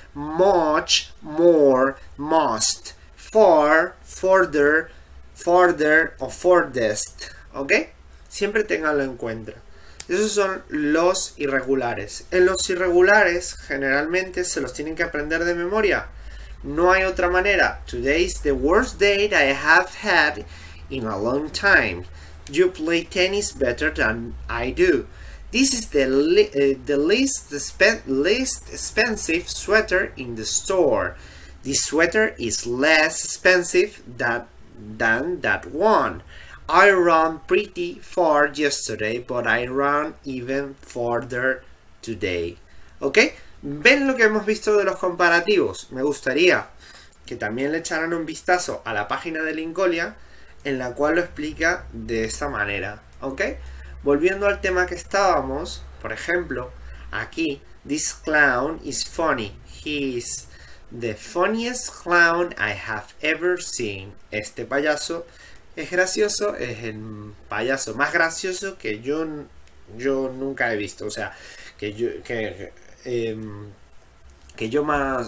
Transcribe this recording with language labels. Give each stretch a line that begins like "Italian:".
English: Much, more, most. Far, further, farther o furthest. ¿Ok?
Spanish: Siempre ténganlo en cuenta. Esos son los irregulares. En los irregulares, generalmente se los tienen que aprender de memoria. No hay otra manera.
English: Today is the worst day that I have had in a long time. You play tennis better than I do. This is the least expensive sweater in the store. This sweater is less expensive than that one. I ran pretty far yesterday, but I ran even farther today. ¿Ok?
Spanish: ¿Ven lo que hemos visto de los comparativos? Me gustaría que también le echaran un vistazo a la página de Lingolia, en la cual lo explica de esta manera. ¿Ok? Volviendo al tema que estábamos, por ejemplo, aquí,
English: this clown is funny. He is the funniest clown I have ever seen.
Spanish: Este payaso es gracioso, es el payaso más gracioso que yo nunca he visto. O sea, que yo más.